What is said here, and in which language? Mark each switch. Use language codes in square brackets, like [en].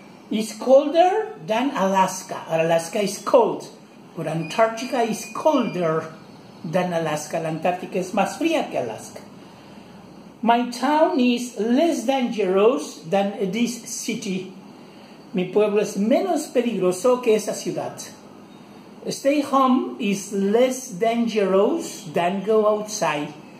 [en] It's colder than Alaska. Alaska is cold. But Antarctica is colder than Alaska. [es] La Antártica es más fría que Alaska. [en] My town is less dangerous than this city. [es] Mi pueblo es menos peligroso que esa ciudad. [en] Stay home is less dangerous than go outside.